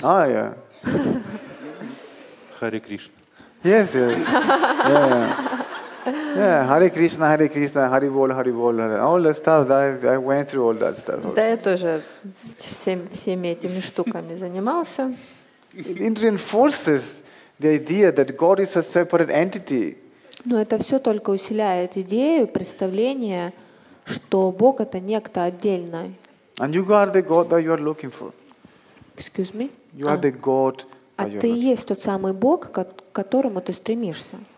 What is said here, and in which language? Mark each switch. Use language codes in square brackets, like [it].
[en] Oh, yeah. Hare Krishna. Yes, yes. Yeah, Hare Krishna, Hare Krishna, Hare Bol, Hare Bol, all that stuff. I went through all that stuff. [ru] Да, я тоже всеми этими штуками занимался. [en] It reinforces the idea that God is a separate entity. [ru] Но это все только усиливает идею, представление, что Бог — это некто отдельный. [en] And you are the God that you are looking for. Excuse me. You are the God. [ru] А ты и есть тот самый Бог, к которому ты стремишься.